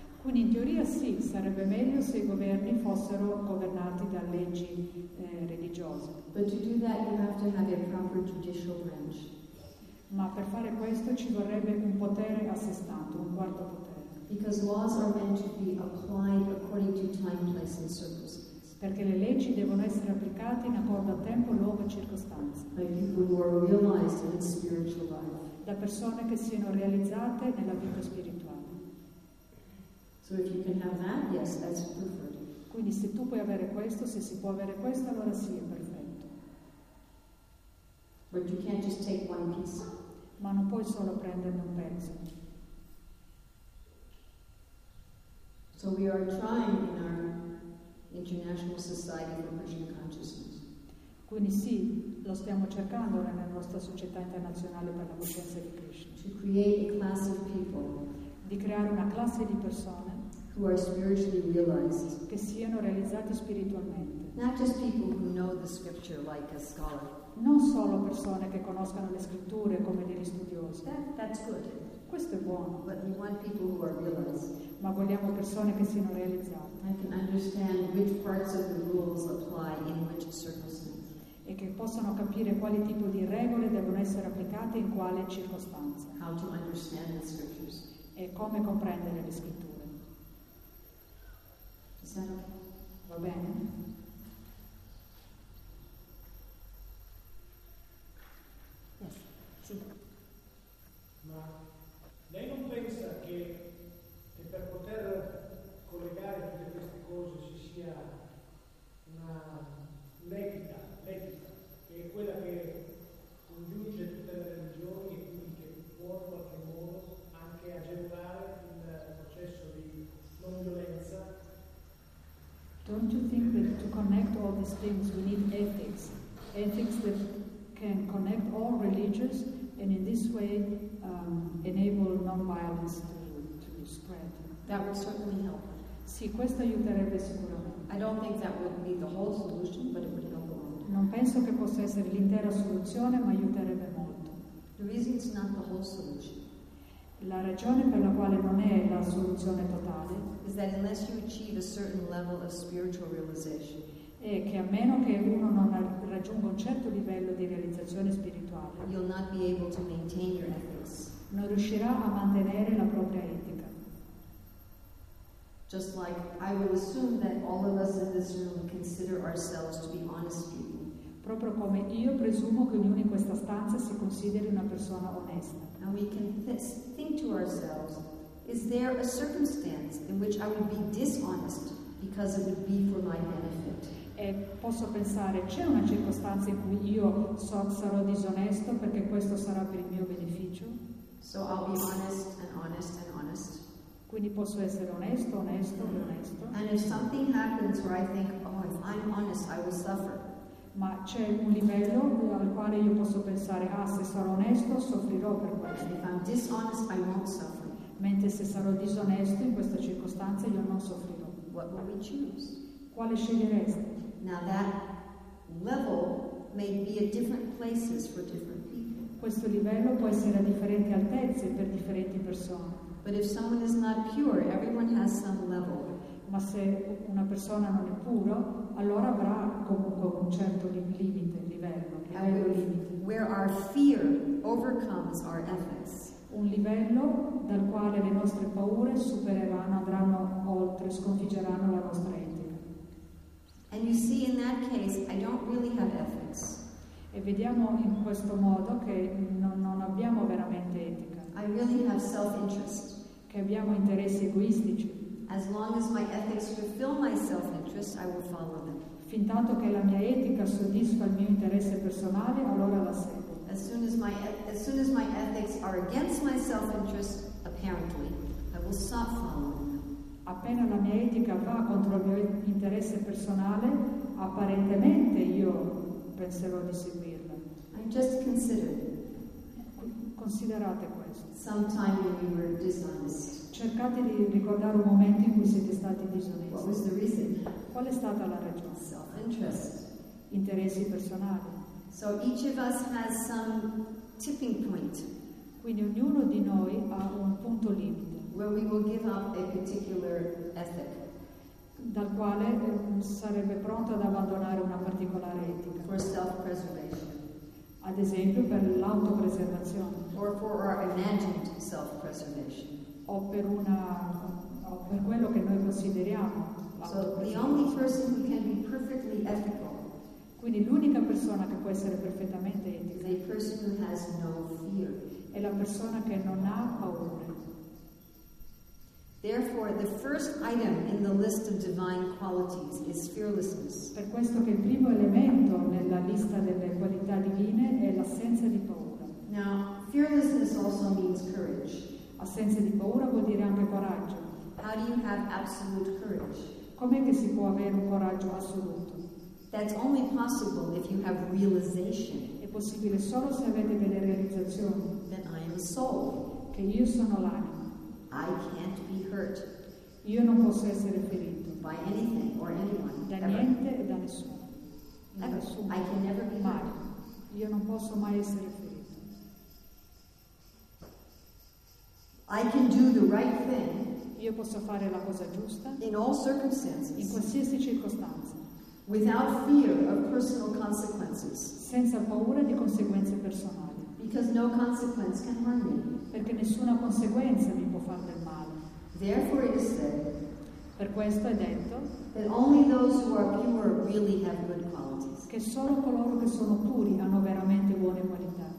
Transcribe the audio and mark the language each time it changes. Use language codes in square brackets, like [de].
[it] Quindi in teoria sì, sarebbe meglio se i governi fossero governati da leggi religiose. [en] But to do that you have to have a proper judicial branch. [it] Ma per fare questo ci vorrebbe un potere a sé stante, un quarto potere. [en] Because laws are meant to be applied according to time, place and circumstances. [it] Perché le leggi devono essere applicate in accordo a tempo, luogo e circostanze. Da persone che siano realizzate nella vita spirituale. [en] So if you can have that, yes, that's preferred. [it] Quindi se tu puoi avere questo, se si può avere questo, allora sì, è perfetto. [en] But you can't just take one piece. [it] Ma non puoi solo prenderne un pezzo. [en] So we are trying in our International Society for Krishna Consciousness. [it] Quindi sì, lo stiamo cercando nella nostra società internazionale per la coscienza di Krishna. [en] To create a class of people. [it] Di creare una classe di persone. [en] Who are spiritually realized. [it] Che siano realizzati spiritualmente. [en] Not just people who know the scripture like a scholar. [it] Non solo persone che conoscano le scritture come degli studiosi. [en] That's good. [it] Questo è buono. [en] But we want people who are realized. [it] Ma vogliamo persone che siano realizzate. [en] I can understand which parts of the rules apply in which circumstances. [it] E che possano capire quale tipo di regole devono essere applicate in quale circostanza. [en] How to understand the scriptures. [it] E come comprendere le scritture. [en] Is that okay? [it] Va bene? [en] Yes. [it] Sì. Ma lei non pensa che per poter collegare tutte queste cose ci sia una l'etica, che è quella che congiunge tutte le religioni e quindi che può in qualche modo anche agevolare il processo di non violenza? [en] Don't you think that to connect all these things we need ethics? Ethics that can connect all religions and in this way enable non-violence to spread. That would certainly help. [it] Sì, questo aiuterebbe sicuramente. [en] I don't think that would be the whole solution, but it would help a lot. [it] Non penso che possa essere l'intera soluzione, ma aiuterebbe molto. [en] The reason it's not the whole solution. [it] La ragione per la quale non è la soluzione totale [en] is that unless you achieve a certain level of spiritual realization. [it] È che a meno che uno non raggiunga un certo livello di realizzazione spirituale, [en] you'll not be able to maintain your ethics. [it] Non riuscirà a mantenere la propria etica. [en] Just like I would assume that all of us in this room consider ourselves to be honest people. [it] Proprio come io presumo che ognuno in questa stanza si consideri una persona onesta. [en] And we can think to ourselves, is there a circumstance in which I would be dishonest because it would be for my benefit? [it] E posso pensare, c'è una circostanza in cui io sarò disonesto perché questo sarà per il mio beneficio? [en] So I'll be honest and honest and honest. [it] Quindi posso essere onesto, onesto e onesto. [en] And if something happens where I think, oh, if I'm honest, I will suffer. [it] Ma c'è un livello al quale io posso pensare, ah, se sarò onesto, soffrirò per questo. [en] If I'm dishonest, I won't suffer. [it] Mentre se sarò disonesto in questa circostanza, io non soffrirò. [en] What will we choose? [it] Quale scegliereste? [en] Now that level may be at different places for different people. [it] Questo livello può essere a differenti altezze per differenti persone. [en] But if someone is not pure, everyone has some level. [it] Ma se una persona non è puro, allora avrà comunque un certo limite, livello limite. [en] Where our fear overcomes our ethics. [it] Un livello dal quale le nostre paure supereranno, andranno oltre, sconfiggeranno la nostra etica. [en] And you see, in that case, I don't really have ethics. [it] E vediamo in questo modo che non abbiamo veramente etica. [en] I really have self-interest. [it] Che abbiamo interessi egoistici. [en] As long as my ethics fulfill my self-interest, I will follow them. [it] Fin tanto che la mia etica soddisfa il mio interesse personale, allora la seguo. [en] As soon as my ethics are against my self-interest, apparently, I will stop following them. [it] Appena la mia etica va contro il mio interesse personale, apparentemente io penserò di seguirla. [en] I just considered. [it] Considerate questo. [en] Sometime when you were dishonest. [it] Cercate di ricordare un momento in cui siete stati disonesti. [en] What was the reason? [it] Qual è stata la ragione? [en] Self-interest. [it] Interessi personali. [en] So each of us has some tipping point. [it] Quindi ognuno di noi ha un punto limite. [en] Where we will give up a particular ethic. [it] Dal quale sarebbe pronto ad abbandonare una particolare etica. [en] For self-preservation. [it] ad esempio per l'autopreservazione, [en] or for our imagined self-preservation, [it] o per una, o per quello che noi consideriamo. [en] So the only person who can be perfectly ethical, [it] quindi l'unica persona che può essere perfettamente etica, [en] the person who has no fear, [it] è la persona che non ha paura. [en] Therefore, the first item in the list of divine qualities is fearlessness. [it] Per questo che il primo elemento nella lista delle qualità divine è l'assenza di paura. [en] Now, fearlessness also means courage. [it] Assenza di paura vuol dire anche coraggio. [en] How do you have absolute courage? [it] Com'è che si può avere un coraggio assoluto? [en] That's only possible if you have realization. [it] È possibile solo se avete delle realizzazioni. [en] That I am a soul. [it] Che io sono l'anima. [en] I can't be hurt. [it] Io non posso essere ferito [en] by anything or anyone. [it] Da niente e da nessuno. Nessuno. [en] I can never be hurt. [it] Io non posso mai essere ferito. [en] I can do the right thing. [it] Io posso fare la cosa giusta. [en] In all circumstances. [it] In qualsiasi circostanza. [en] Without fear of personal consequences. [it] Senza paura di conseguenze personali. [en] Because no consequence can harm me. [it] Perché nessuna conseguenza mi può far del male. [en] Therefore it is said, [it] per questo è detto, [en] that only those who are pure really have good qualities. [it] Che solo coloro che sono puri hanno veramente buone qualità.